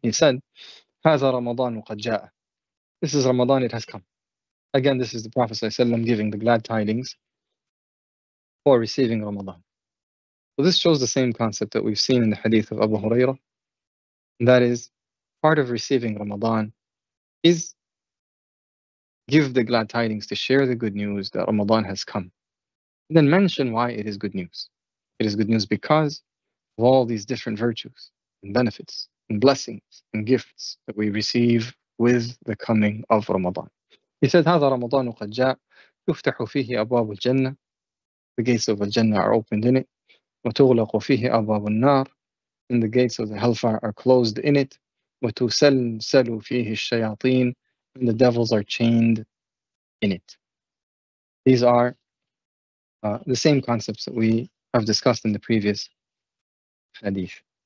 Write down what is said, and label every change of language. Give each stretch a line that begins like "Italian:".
English: He said,
Arabic: هَذَا رَمَضَانُ قَدْ جَاءَ.
English: This is Ramadan, it has come. Again, this is the Prophet sallallahu alayhi wa sallam giving the glad tidings for receiving Ramadan. So this shows the same concept that we've seen in the hadith of Abu Hurairah. And that is, part of receiving Ramadan is give the glad tidings, to share the good news that Ramadan has come. And then mention why it is good news. It is good news because of all these different virtues and benefits and blessings and gifts that we receive with the coming of Ramadan. He said,
Arabic: هذا رمضان قد جاء يفتح فيه أبواب الجنة.
English: The gates of Al-Jannah are opened in it.
Arabic: وتغلق فيه أبواب النار.
English: And the gates of the hellfire are closed in it.
Arabic: وتسلسل فيه الشياطين.
English: And the devils are chained in it. These are the same concepts that we have discussed in the previous hadith.